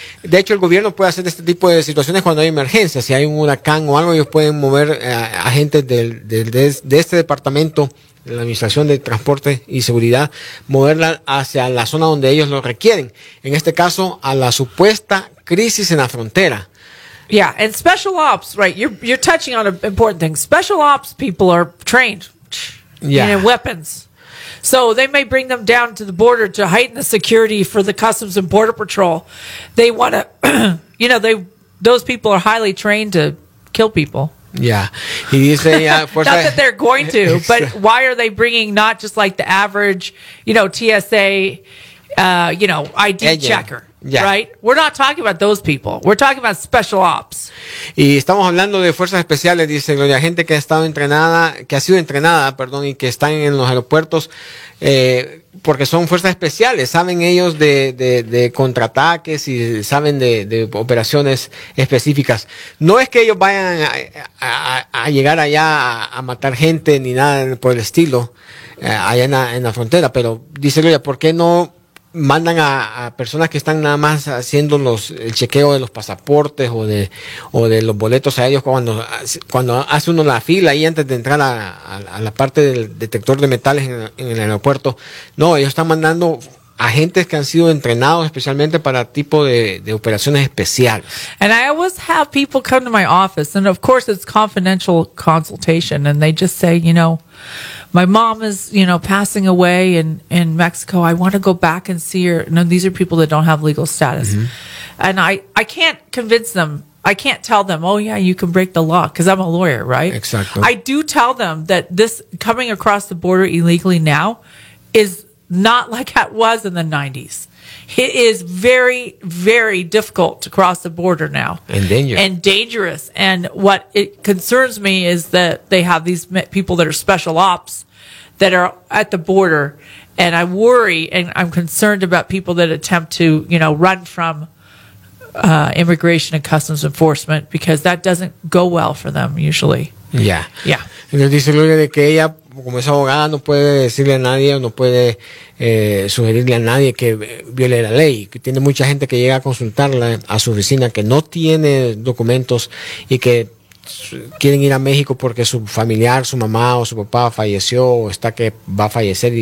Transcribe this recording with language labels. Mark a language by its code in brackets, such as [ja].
[es] De hecho, el gobierno puede hacer este tipo de situaciones cuando hay emergencias. Si hay un huracán o algo, ellos pueden mover agentes de este departamento, de la Administración de Transporte y Seguridad, moverla hacia la zona donde ellos lo requieren. En este caso, a la supuesta crisis en la frontera. [en] Yeah, and special ops, right, you're touching on an important thing. Special ops people are trained in weapons. So they may bring them down to the border to heighten the security for the Customs and Border Patrol. They want to, you know, those people are highly trained to kill people. [es] Yeah. Y dice, [en] not that they're going to, but why are they bringing not just like the average, you know, TSA, you know, ID checker? Yeah. Right? We're not talking about those people. We're talking about special ops. [es] Y estamos hablando de fuerzas especiales, dice Gloria, gente que ha estado entrenada, y que están en los aeropuertos, porque son fuerzas especiales. Saben ellos de contraataques y saben de operaciones específicas. No es que ellos vayan a llegar allá a matar gente ni nada por el estilo, allá en la frontera, pero dice Gloria, ¿por qué no mandan a personas que están nada más haciendo el chequeo de los pasaportes o de los boletos a ellos cuando hace uno la fila ahí antes de entrar a la parte del detector de metales en el aeropuerto? No, ellos están mandando agentes que han sido entrenados especialmente para tipo de operaciones especiales. [en] And I always have people come to my office, and of course it's confidential consultation, and they just say, you know, my mom is, you know, passing away in Mexico. I want to go back and see her. No, these are people that don't have legal status. Mm-hmm. And I can't convince them. I can't tell them, oh, yeah, you can break the law, because I'm a lawyer, right? Exactly. I do tell them that this coming across the border illegally now is not like it was in the 90s. It is very, very difficult to cross the border now. And dangerous. And dangerous. And what it concerns me is that they have these people that are special ops that are at the border. And I worry and I'm concerned about people that attempt to, you know, run from immigration and customs enforcement, because that doesn't go well for them usually. Yeah. Yeah. [es] Y nos dice Gloria de que ella, como es abogada, no puede decirle a nadie o no puede sugerirle a nadie que viole la ley. Tiene mucha gente que llega a consultarla a su oficina que no tiene documentos y que quieren ir a México porque su familiar, su mamá o su papá falleció o está que va a fallecer.